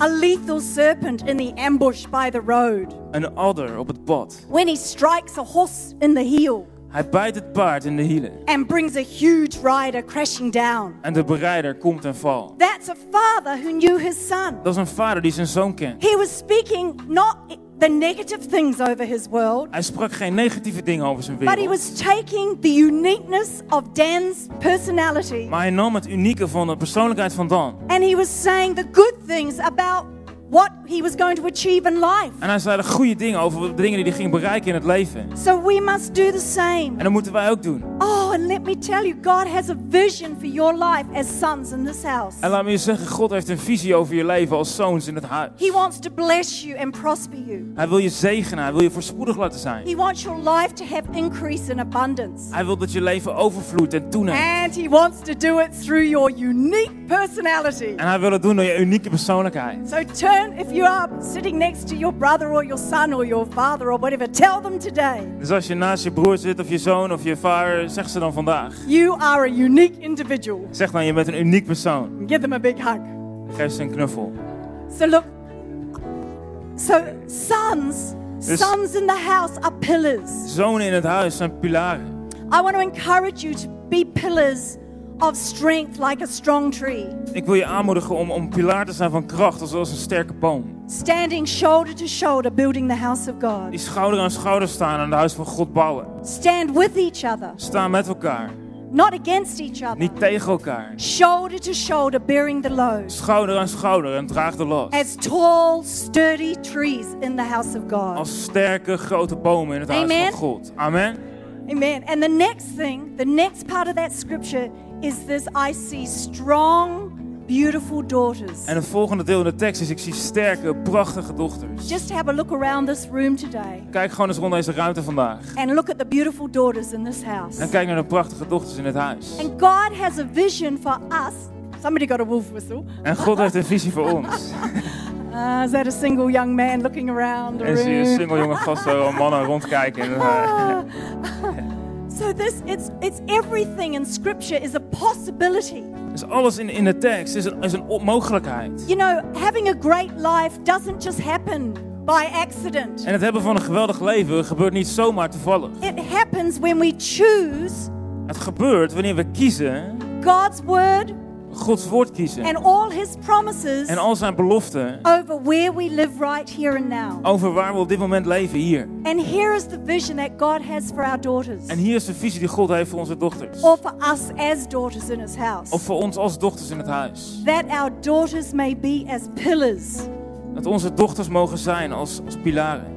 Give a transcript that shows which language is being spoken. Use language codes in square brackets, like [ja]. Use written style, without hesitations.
[en] A lethal serpent in the ambush by the road. [nl] Een adder op het pad. [en] When he strikes a horse in the heel. [nl] Hij bijt het paard in de hielen. [en] And brings a huge rider crashing down. [nl] En de berijder komt en valt. [en] That's a father who knew his son. [nl] Dat is een vader die zijn zoon kent. [en] He was speaking not the negative things over his world. [nl] Hij sprak geen negatieve dingen over zijn wereld. [en] But he was taking the uniqueness of Dan's personality. [nl] Maar hij nam het unieke van de persoonlijkheid van Dan. [en] And he was saying the good things about what he was going to achieve in life. [nl] En hij zei de goede dingen over de dingen die hij ging bereiken in het leven. [en] So we must do the same. [nl] En dat moeten wij ook doen. [en] Oh, and let me tell you, God has a vision for your life as sons in this house. [nl] En laat me je zeggen, God heeft een visie over je leven als zoons in het huis. [en] He wants to bless you and prosper you. [nl] Hij wil je zegenen, hij wil je voorspoedig laten zijn. [en] He wants your life to have increase in abundance. [nl] Hij wil dat je leven overvloedt en toeneemt. [en] And he wants to do it through your unique personality. [nl] En hij wil het doen door je unieke persoonlijkheid. [en] So turn, if you are sitting next to your brother or your son or your father or whatever, tell them today. [nl] Dus als je naast je broer zit of je zoon of je vader, zeg ze dan vandaag. [en] You are a unique individual. [nl] Zeg dan, je bent een uniek persoon. [en] Give them a big hug. [nl] Geef ze een knuffel. [en] So look, so sons, dus sons in the house are pillars. [nl] Zonen in het huis zijn pilaren. [en] I want to encourage you to be pillars of strength like a strong tree. [nl] Ik wil je aanmoedigen om pilaar te zijn van kracht, zoals een sterke boom. [en] Standing shoulder to shoulder building the house of God. [nl] Die schouder aan schouder staan en het huis van God bouwen. [en] Stand with each other. [nl] Sta met elkaar. [en] Not against each other. [nl] Niet tegen elkaar. [en] Shoulder to shoulder bearing the load. [nl] Schouder aan schouder en draag de last. [en] As tall, sturdy trees in the house of God. [nl] Als sterke grote bomen in het [en] Amen. [nl] Huis van God. Amen. [en] Amen. And the next thing, the next part of that scripture is this, I see strong, beautiful daughters. [nl] En het volgende deel in de tekst is, ik zie sterke, prachtige dochters. [en] Just have a look around this room today. [nl] Kijk gewoon eens rond deze ruimte vandaag. [en] And look at the beautiful daughters in this house. [nl] En kijk naar de prachtige dochters in het huis. [en] And God has a vision for us. Somebody got a wolf whistle. [nl] En God heeft een visie voor ons. [en] Is that a single young man looking around the [nl] room? Is hier een single jonge gast, een man rondkijken? [en] So it's everything in scripture is a possibility. [nl] Dus alles in de tekst is een mogelijkheid. [en] You know, having a great life doesn't just happen by accident. [nl] En het hebben van een geweldig leven gebeurt niet zomaar toevallig. [en] It happens when we choose. [nl] Het gebeurt wanneer we kiezen. [en] God's word. [nl] Gods woord kiezen. [en] And all his promises. [nl] En al zijn beloften. [en] Over where we live right here and now. [nl] Over waar we op dit moment leven hier. [en] And here is the vision that God has for our daughters. [nl] En hier is de visie die God heeft voor onze dochters. [en] Or for us as daughters in his house. [nl] Of voor ons als dochters in het huis. [en] That our daughters may be as pillars. [nl] Dat onze dochters mogen zijn als pilaren.